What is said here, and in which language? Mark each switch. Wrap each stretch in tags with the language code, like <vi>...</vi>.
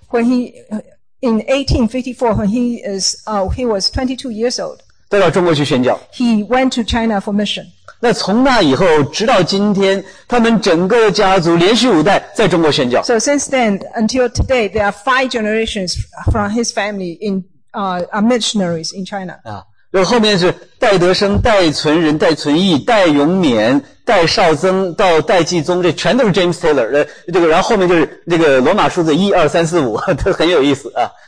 <en>when he, in 1854, when he was 22 years old,</en> <zh>带到中国去宣教</zh> <en>he went to China for mission.</en> <zh>那从那以后直到今天他们整个家族连续五代在中国宣教</zh> <en>So since then, until today, there are five generations from his family in, are missionaries in China.</en> <zh>然后后面是戴德生、戴存仁、戴存义、戴永勉、戴绍曾到戴继宗，这全都是 James Taylor 的这个。然后后面就是那个罗马数字一二三四五，都很有意思啊。</zh>